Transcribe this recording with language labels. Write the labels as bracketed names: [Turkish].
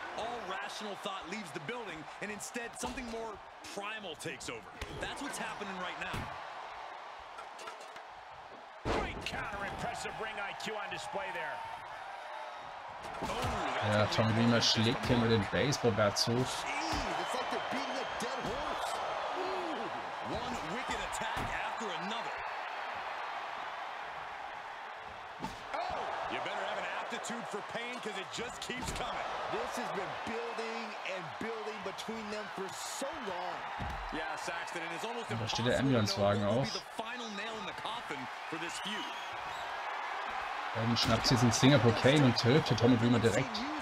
[English] All rational thought leaves the building, and instead something more primal takes over. That's what's happening right now. Great counter, impressive ring IQ on display there. [German] Oh, yeah, Tommy Dreamer schlägt hier mit dem Baseball Bat zu. [English] It's like they're beating a dead horse. One wicked attack after another. Aptitude for pain because it just keeps coming. This has been building and building between them for so long. Yeah, Saxton, it is almost impossible to know who will be the final nail in the coffin for this feud. [German] Dann schnappt sie den Singapore Cane und hilft Tommy Dreamer direkt.